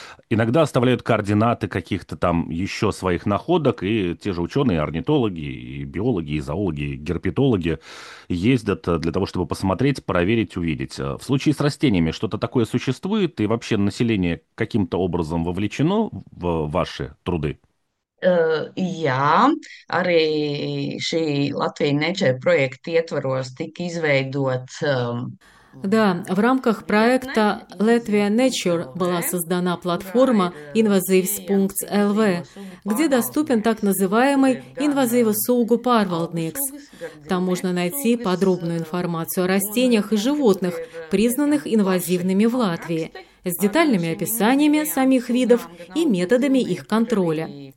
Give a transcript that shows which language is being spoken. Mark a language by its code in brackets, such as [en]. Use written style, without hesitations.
[ru] Иногда оставляют координаты каких-то там еще своих находок, и те же ученые, орнитологи, и биологи, и зоологи, и герпетологи ездят для того, чтобы посмотреть, проверить, увидеть. В случае с растениями что-то такое существует, и вообще население каким-то образом вовлечено в ваши труды? [lv] Jā, arī šī Latvijas Nature projekta ietvaros tika izveidot. [ru] Да, в рамках проекта Latvia Nature была создана платформа Invasives.lv, где доступен так называемый Invasive Sugu Parvaldnieks. Там можно найти подробную информацию о растениях и животных, признанных инвазивными в Латвии, с детальными описаниями самих видов и методами их контроля.